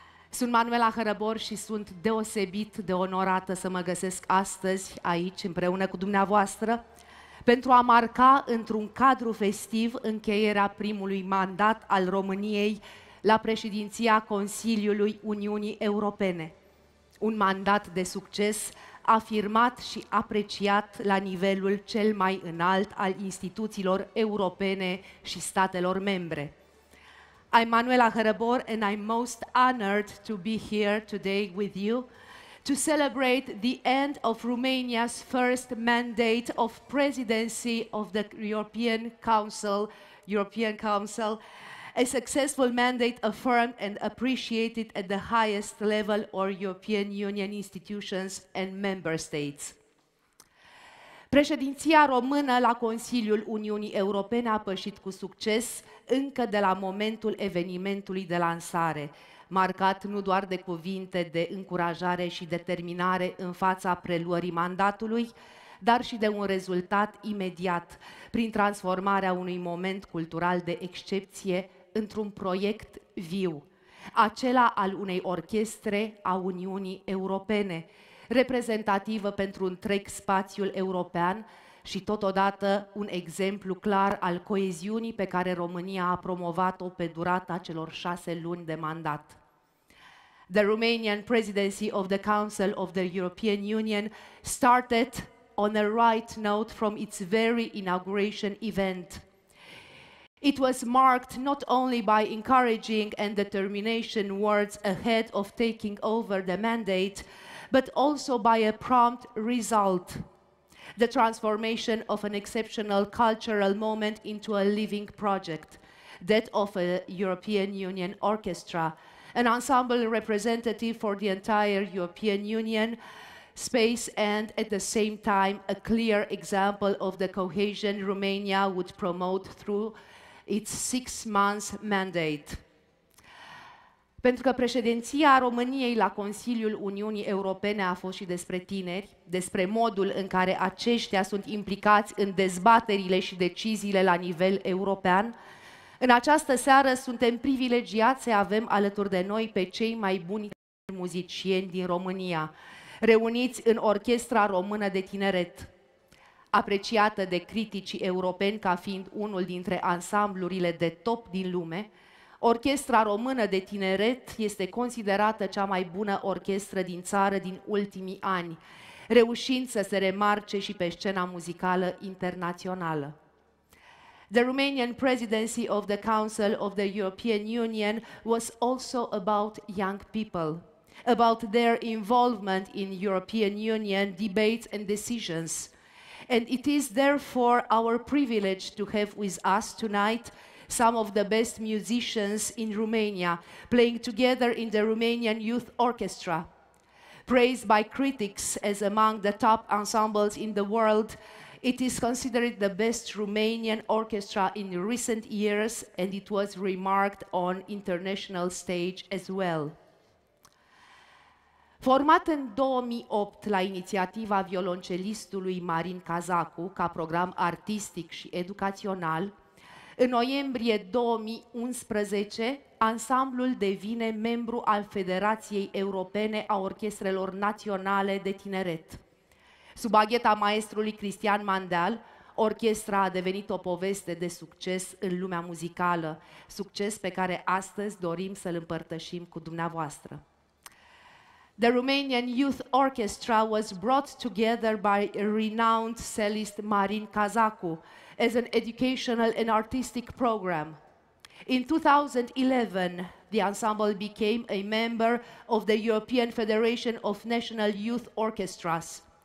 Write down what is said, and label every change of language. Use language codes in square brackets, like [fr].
[ro] Sunt Manuela Hărăbor și sunt deosebit de onorată să mă găsesc astăzi aici împreună cu dumneavoastră pentru a marca într-un cadru festiv încheierea primului mandat al României la președinția Consiliului Uniunii Europene. Un mandat de succes afirmat și apreciat la nivelul cel mai înalt al instituțiilor europene și statelor membre. [en] I'm Manuela Herebor, and I'm most honored to be here today with you to celebrate the end of Romania's first mandate of presidency of the European Council. European Council, a successful mandate affirmed and appreciated at the highest level of European Union institutions and member states. [ro] Președinția română la Consiliul Uniunii Europene a pășit cu succes încă de la momentul evenimentului de lansare, marcat nu doar de cuvinte de încurajare și determinare în fața preluării mandatului, dar și de un rezultat imediat, prin transformarea unui moment cultural de excepție într-un proiect viu, acela al unei orchestre a Uniunii Europene, reprezentativă pentru întreg spațiul european și totodată un exemplu clar al coeziunii pe care România a promovat-o pe durata celor 6 luni de mandat. [en] The Romanian Presidency of the Council of the European Union started on a right note from its very inauguration event. It was marked not only by encouraging and determination words ahead of taking over the mandate, but also by a prompt result, the transformation of an exceptional cultural moment into a living project, that of a European Union orchestra, an ensemble representative for the entire European Union space, and at the same time a clear example of the cohesion Romania would promote through its 6 months mandate. [ro] Pentru că președinția României la Consiliul Uniunii Europene a fost și despre tineri, despre modul în care aceștia sunt implicați în dezbaterile și deciziile la nivel european, în această seară suntem privilegiați să avem alături de noi pe cei mai buni muzicieni din România, reuniți în Orchestra Română de Tineret, apreciată de criticii europeni ca fiind unul dintre ansamblurile de top din lume. Orchestra Română de Tineret este considerată cea mai bună orchestră din țară din ultimii ani, reușind să se remarce și pe scena muzicală internațională. [en] The Romanian Presidency of the Council of the European Union was also about young people, about their involvement in European Union debates and decisions. And it is therefore our privilege to have with us tonight some of the best musicians in Romania, playing together in the Romanian Youth Orchestra. Praised by critics as among the top ensembles in the world, it is considered the best Romanian orchestra in recent years, and it was remarked on international stage as well. [ro] Format în 2008 la inițiativa violoncelistului Marin Cazacu ca program artistic și educațional, în noiembrie 2011, ansamblul devine membru al Federației Europene a Orchestrelor Naționale de Tineret. Sub agheta maestrului Cristian Mandeal, orchestra a devenit o poveste de succes în lumea muzicală, succes pe care astăzi dorim să-l împărtășim cu dumneavoastră. [en] The Romanian Youth Orchestra was brought together by renowned cellist Marin Cazacu as an educational and artistic program. In 2011, the ensemble became a member of the European Federation of National Youth Orchestras.